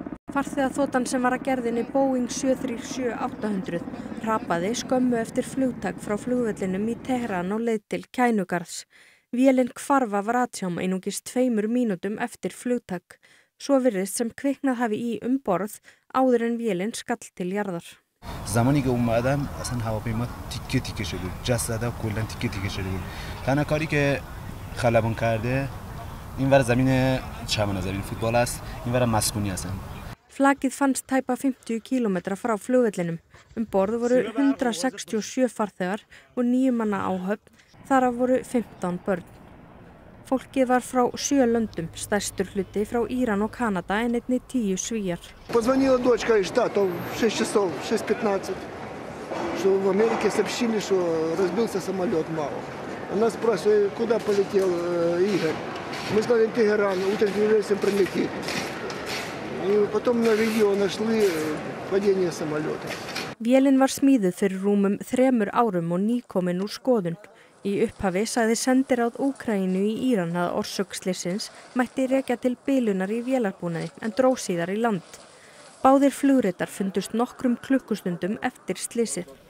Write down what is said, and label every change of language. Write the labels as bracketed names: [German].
[Icelandic] Farþegaþotan sem var að gerðinni Boeing 737-800 hrapaði skömmu eftir flugtak frá flugvellinum í Teheran og leið til Kænugarðs. Vélin hvarf af ratsjám einungis tveimur mínútum eftir flugtak, svo virðist sem kviknað hafi í umborð áður en vélin skall til jarðar. [Persian] زمانی که اومدم اصلا هواپیما تیکه تیکه شده بود جسده کلا تیکه تیکه شده بود تنها کاری که خلبان کرده این ور زمین چمن زمین فوتبال است این ور مسکونی هستن [Icelandic] Flakið fannst tæpa 50 kilometra frá flugvellinum. Umborð voru 167 farþegar og 9 manna áhöfn, þar af voru 15 börn. Fólkið var frá 7 löndum, stærstur hluti frá Íran og Kanada en einnig 10 svíjar. [Russian] Позвонила дочка из штата, 6:15, что в Америке сообщили, что разбился самолет МАУ. Она спрашивает, куда полетел Игорь. Мы сказали, Тегеран, утром вернемся, прилетит. И потом на видео нашли падение самолета. [Icelandic] Вélin var smíðuð fyrir rúmum 3 árum og nýkomin úr skoðun. Í upphafi sagði sendiráð Úkraínu í Íran að orsök slyssins mætti rekja til bilunar í vélarbúnaði en dró síðar í land. Báðir flugritar fundust nokkrum klukkustundum eftir slysið.